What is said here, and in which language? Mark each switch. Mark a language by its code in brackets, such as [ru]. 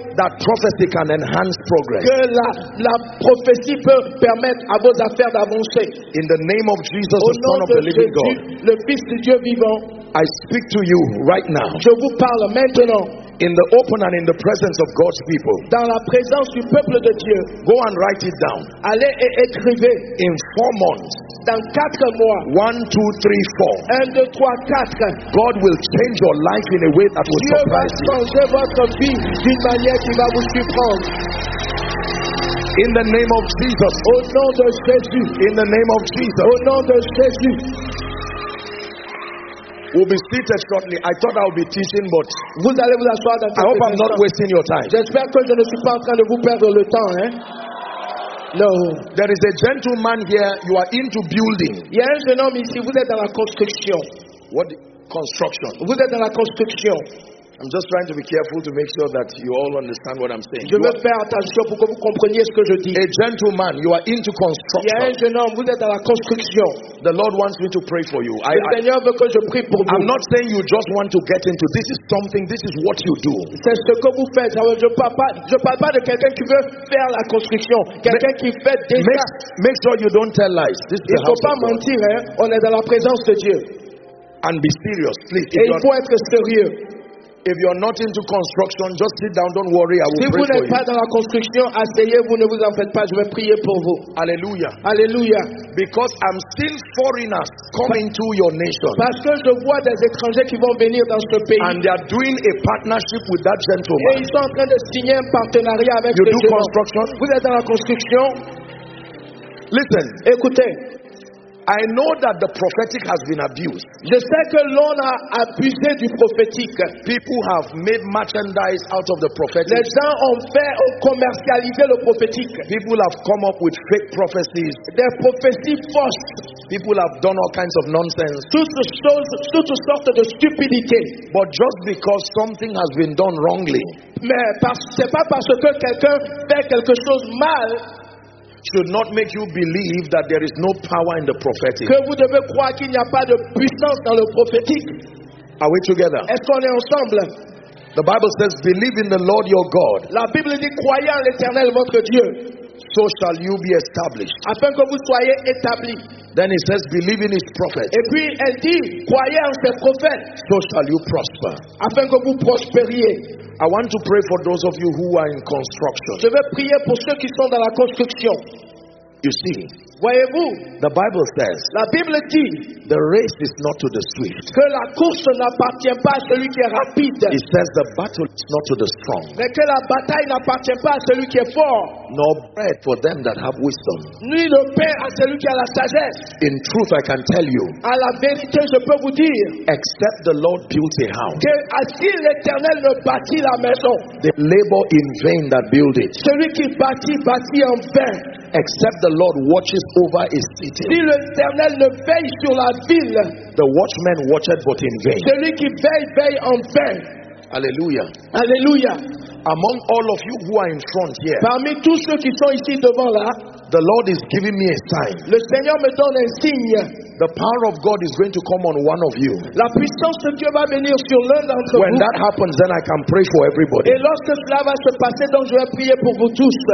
[en] that prophecy can enhance progress? [fr] Que la prophétie peut permettre à vos affaires d'avancer. [en] In the name of Jesus, [fr] Au [en] the Son of the Living God. [fr] Le Fils de Dieu vivant. [en] I speak to you right now. [fr] Je vous parle maintenant. [en] In the open and in the presence of God's people. [fr] Dans la présence du peuple de Dieu. [en] Go and write it down. [fr] Allez et écrivez. [en] In 4 months. [fr] Dans 4 mois. [en] 1, 2, 3, 4. [fr] 1, 2, 3, 4. [en] God will change your life in a way that will [fr] Dieu [en] surprise you. [fr] Dieu va changer votre vie d'une manière qui va vous surprendre. [en] In the name of Jesus. [fr] Au nom de Jésus. [en] In the name of Jesus. [fr] Au nom de Jésus. [en] We'll be seated shortly. I thought I would be teaching, but [fr] vous allez vous asseoir dans [en] I hope I'm not wasting your time. [fr] J'espère que je ne suis pas en train de vous perdre le temps, hein? [en] No. There is a gentleman here. You are into building. [fr] Il y a un jeune homme ici. Vous êtes dans la construction. [en] What? Construction. [fr] Vous êtes dans la construction. [en] I'm just trying to be careful to make sure that you all understand what I'm saying. [fr] Je veux faire attention pour que vous compreniez ce que je dis. [en] A gentleman, you are into construction. [fr] Il y a un jeune homme, vous êtes dans la construction. [en] The Lord wants me to pray for you. [fr] Le Seigneur veut que je prie pour vous. [en] I'm not saying you just want to get into this is something, this is what you do. [fr] C'est ce que vous faites. Alors, je parle pas de quelqu'un qui veut faire la construction. Quelqu'un qui fait déjà. [en] Make sure you don't tell lies. This is [fr] Il faut pas mentir, hein. On est dans la présence de Dieu. [en] And be serious, please. [fr] Et il faut être sérieux. [en] If you're not into construction, just sit down, don't worry, I will [fr] si [en] pray for you. [fr] Si vous n'êtes pas dans la construction, asseyez-vous, ne vous en faites pas, je vais prier pour vous. Alléluia. Alléluia. [en] Because I'm seeing foreigners coming to your nation. [fr] Parce que je vois des étrangers qui vont venir dans ce pays. [en] And they are doing a partnership with that gentleman. [fr] Et ils sont en train de signer un partenariat avec [en] you [fr] ce [en] do construction? [fr] Vous êtes dans la construction. [en] Listen. [fr] Écoutez. [en] I know that the prophetic has been abused. [fr] Je sais que l'on a abusé du prophétique. [en] People have made merchandise out of the prophetic. [fr] Les gens ont fait, ont commercialisé le prophétique. [en] People have come up with fake prophecies. [fr] Des prophéties fausses. [en] People have done all kinds of nonsense. [fr] Toutes sortes de stupidité. [en] But just because something has been done wrongly. [fr] Mais c'est pas parce que quelqu'un fait quelque chose mal. [en] Should not make you believe that there is no power in the prophetic. [fr] Que vous devez croire qu'il n'y a pas de puissance dans le prophétique. [en] Are we together? [fr] Est-ce qu'on est ensemble? [en] The Bible says, "Believe in the Lord your God." [fr] La Bible dit, croyez en l'Éternel votre Dieu. [en] So shall you be established. [fr] Afin que vous soyez établi. [en] Then it says, "Believe in his prophets." [fr] Et puis elle dit, croyez en ses prophètes. [en] So shall you prosper. [fr] Afin que vous prospériez. [en] I want to pray for those of you who are in construction. [fr] Je vais prier pour ceux qui sont dans la construction. [en] You see, [fr] voyez-vous, [en] the Bible says, [fr] la Bible dit, [en] the race is not to the swift. [fr] Que la course n'appartient pas à celui qui est rapide. [en] It says the battle is not to the strong. [fr] Mais que la bataille n'appartient pas à celui qui est fort. [en] Nor bread for them that have wisdom. [fr] Ni le pain à celui qui a la sagesse. [en] In truth, I can tell you. [fr] À la vérité, je peux vous dire. [en] Except the Lord built a house. [fr] Que si l'Éternel ne bâtit la maison. [en] They labor in vain that build it. [fr] Celui qui bâtit, bâtit en vain. [en] Except the Lord watches over his city. [fr] Si l'Éternel ne veille sur la ville. [en] The watchman watches but in vain. [fr] Celui qui veille, veille en vain. Alléluia. Alléluia. [en] Among all of you who are in front here. [fr] Parmi tous ceux qui sont ici devant là. [en] The Lord is giving me a sign. [fr] Le Seigneur me donne un signe. [en] The power of God is going to come on one of you. [fr] La puissance de Dieu va venir sur l'un d'entre vous. [en] When that happens, then I can pray for everybody. [fr] Et lorsque cela va se passer, donc je vais prier pour vous tous.